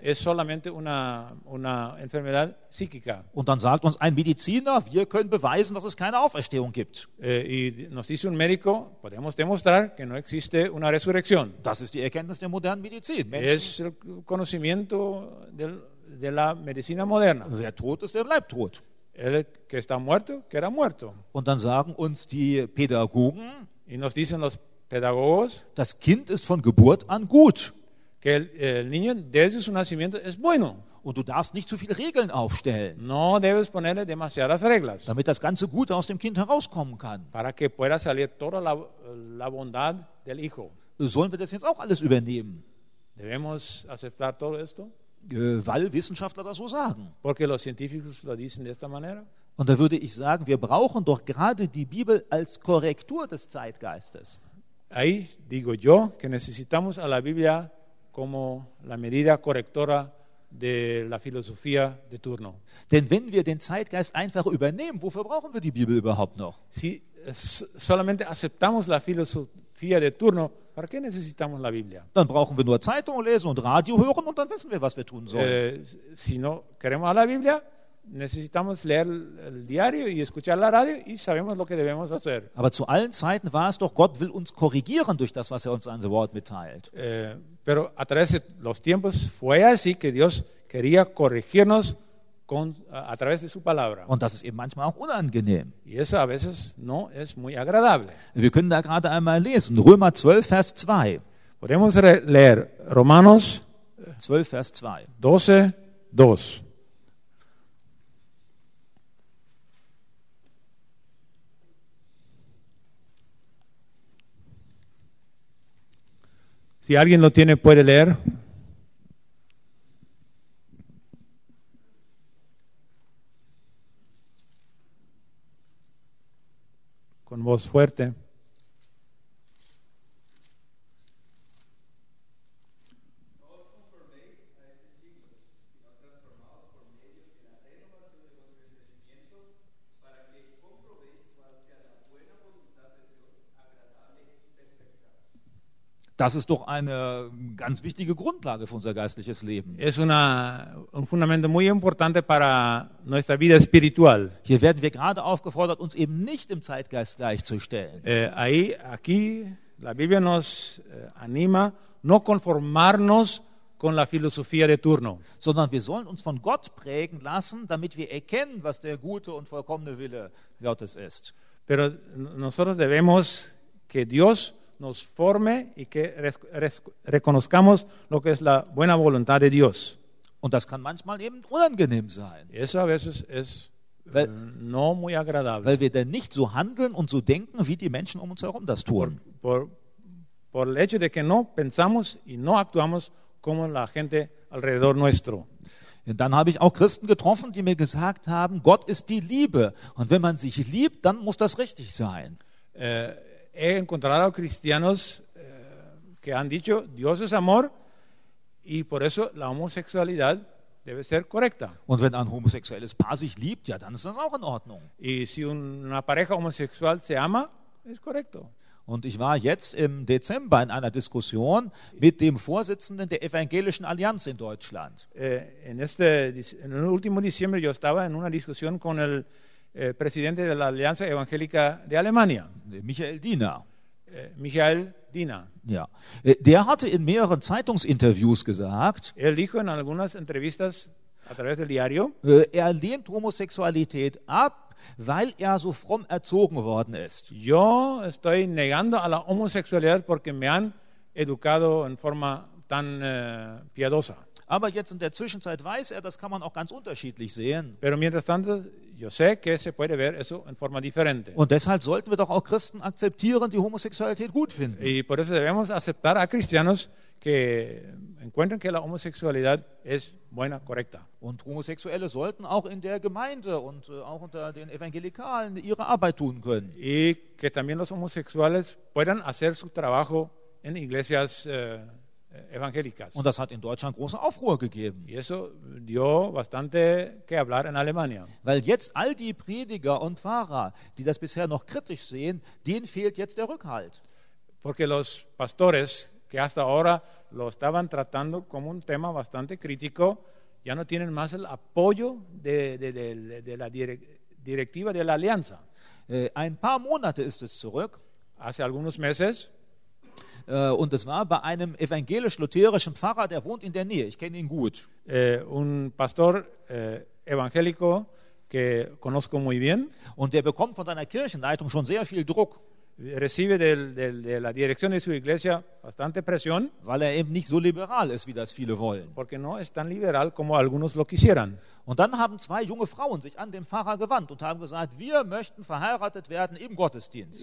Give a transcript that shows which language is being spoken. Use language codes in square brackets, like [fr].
[es] Es solamente una enfermedad psíquica. [de] Und dann sagt uns ein Mediziner, wir können beweisen, dass es keine Auferstehung gibt. [es] Y nos dice un médico, podemos demostrar que no existe una resurrección. [de] Das ist die Erkenntnis der modernen Medizin. [es] Es el conocimiento de la medicina moderna. [de] Wer tot ist, der bleibt tot. [es] El que está muerto, queda muerto. [de] Und dann sagen uns die Pädagogen, [es] y nos dicen los Pädagogos, [de] das Kind ist von Geburt an gut. [es] Que el niño desde su nacimiento es bueno. [de] Und du darfst nicht zu viele Regeln aufstellen. [es] No debes ponerle demasiadas reglas. [de] Damit das Ganze gut aus dem Kind herauskommen kann. [es] Para que pueda salir toda la bondad del hijo. [de] Sollen wir das jetzt auch alles übernehmen? [es] Debemos aceptar todo esto? [de] Weil Wissenschaftler das so sagen. [es] Porque los científicos lo dicen de esta manera. [de] Und da würde ich sagen, wir brauchen doch gerade die Bibel als Korrektur des Zeitgeistes. [es] Ahí digo yo que necesitamos a la Biblia como la medida correctora de la filosofía de turno. [de] Denn wenn wir den Zeitgeist einfach übernehmen, wofür brauchen wir die Bibel überhaupt noch? [es] Si solamente aceptamos la filosofía de turno, ¿para qué necesitamos la Biblia? [de] Dann brauchen wir nur Zeitung lesen und Radio hören und dann wissen wir, was wir tun sollen. [es] Si no queremos a la Biblia, necesitamos leer el diario y escuchar la radio y sabemos lo que debemos hacer. [de] Aber zu allen Zeiten war es doch, Gott will uns korrigieren durch das, was uns an das Wort mitteilt. [es] Pero a través de los tiempos fue así que Dios quería corregirnos a través de su palabra. [de] Und das ist eben manchmal auch unangenehm. [es] Y eso a veces no es muy agradable. [de] Wir können da gerade einmal lesen, Römer 12, Vers 2. [es] Podemos leer Romanos [de] 12, Vers 2. [es] 12, 2. Si alguien lo tiene, puede leer. Con voz fuerte. [de] Das ist doch eine ganz wichtige Grundlage für unser geistliches Leben. [es] Es un fundamento muy importante para nuestra vida espiritual. [de] Hier werden wir gerade aufgefordert, uns eben nicht im Zeitgeist gleichzustellen. [es] Aquí la Biblia nos anima no conformarnos con la filosofía de turno, [de] sondern wir sollen uns von Gott prägen lassen, damit wir erkennen, was der gute und vollkommene Wille Gottes ist. [es] Pero nosotros debemos que Dios nos forme y que reconozcamos lo que es la buena voluntad de Dios. [de] Und das kann manchmal eben unangenehm sein. [es] Eso a veces es no muy agradable. [de] Weil wir dann nicht so handeln und so denken, wie die Menschen um uns herum das tun. [es] Por el hecho de que no pensamos y no actuamos como la gente alrededor nuestro. [de] Und dann habe ich auch Christen getroffen, die mir gesagt haben, Gott ist die Liebe. Und wenn man sich liebt, dann muss das richtig sein. [es] He encontrado cristianos que han dicho, Dios es amor, y por eso la homosexualidad debe ser correcta. [de] Und wenn ein homosexuelles Paar sich liebt, ja, dann ist das auch in Ordnung. [es] Y si una pareja homosexual se ama, es correcto. [de] Und ich war jetzt im Dezember in einer Diskussion mit dem Vorsitzenden der Evangelischen Allianz in Deutschland. [es] En el último diciembre yo estaba en una discusión con el presidente de la Alianza Evangélica de Alemania. [de] Michael Diener. [es] Michael Diener. [de] Ja. Der hatte in mehreren Zeitungsinterviews gesagt, [es] él dijo en algunas entrevistas a través del diario, [de] er lehnt Homosexualität ab, weil er so fromm erzogen worden ist. [es] Yo estoy negando a la homosexualidad porque me han educado en forma tan piadosa. [de] Aber jetzt in der Zwischenzeit weiß er, das kann man auch ganz unterschiedlich sehen. [es] Pero mientras tanto, yo sé que se puede ver eso en forma diferente. [de] Und deshalb sollten wir doch auch Christen akzeptieren, die Homosexualität gut finden. [es] Y por eso debemos aceptar a cristianos que encuentren que la homosexualidad es buena, correcta. [de] Und Homosexuelle sollten auch in der Gemeinde und auch unter den Evangelikalen ihre Arbeit tun können. [es] Y que también los homosexuales puedan hacer su trabajo en iglesias evangélicas. [de] Und das hat in Deutschland große Aufruhr gegeben. [es] Y eso dio bastante que hablar en Alemania. [de] Weil jetzt all die Prediger und Pfarrer, die das bisher noch kritisch sehen, denen fehlt jetzt der Rückhalt. [es] Porque los pastores que hasta ahora lo estaban tratando como un tema bastante crítico, ya no tienen más el apoyo de la directiva de la Alianza. [de] Ein paar Monate ist es zurück. [es] Hace algunos meses. [de] Und es war bei einem evangelisch-lutherischen Pfarrer, der wohnt in der Nähe. Ich kenne ihn gut. [es] Un pastor evangélico que conozco muy bien. [de] Und der bekommt von seiner Kirchenleitung schon sehr viel Druck. [es] Recibe de la dirección de su iglesia bastante presión, [de] weil er eben nicht so liberal ist, wie das viele wollen. [es] Porque no es tan liberal como algunos lo quisieran. [de] Und dann haben zwei junge Frauen sich an den Pfarrer gewandt und haben gesagt, wir möchten verheiratet werden im Gottesdienst.